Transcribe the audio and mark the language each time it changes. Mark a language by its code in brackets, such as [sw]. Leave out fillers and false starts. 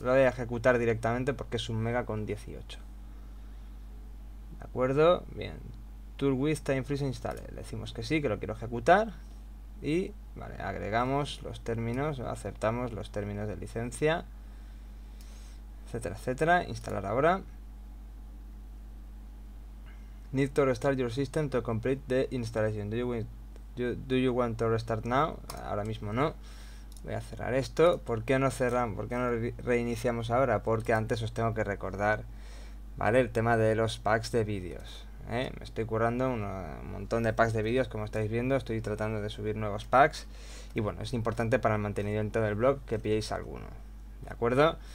[es] Lo voy a ejecutar directamente porque es un mega con 18. De acuerdo, bien. Tool with Time Freeze Installer. Le decimos que sí, que lo quiero ejecutar. Y, vale, agregamos los términos, aceptamos los términos de licencia, etcétera, etcétera. Instalar ahora. [en] Need to restart your system to complete the installation. Do you want to restart now? [es] Ahora mismo no. Voy a cerrar esto. ¿Por qué no cerramos? ¿Por qué no reiniciamos ahora? Porque antes os tengo que recordar, ¿vale? El tema de los packs de vídeos, ¿eh? Me estoy currando un montón de packs de vídeos, como estáis viendo. Estoy tratando de subir nuevos packs. Y bueno, es importante para el mantenimiento del blog que pilléis alguno. ¿De acuerdo?